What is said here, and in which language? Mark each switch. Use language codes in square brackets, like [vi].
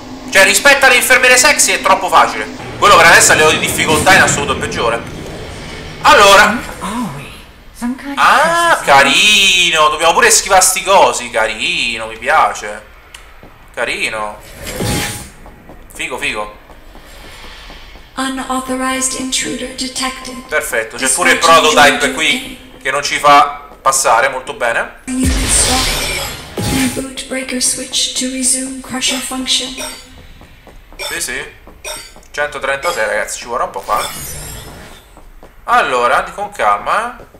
[it] Cioè, rispetto alle infermiere sexy è troppo facile. Quello per adesso a livello di difficoltà è in assoluto peggiore. Allora. Ah, carino, dobbiamo pure schivare sti cosi, carino, mi piace. Carino. Figo, figo. [en] Unauthorized intruder detected. [it] Perfetto, c'è pure il prototype qui che non ci fa passare, molto bene. [en] Reboot breaker switch to resume crusher function. [it] Sì, sì. 136, ragazzi, ci vorrà un po' qua. Allora, con calma.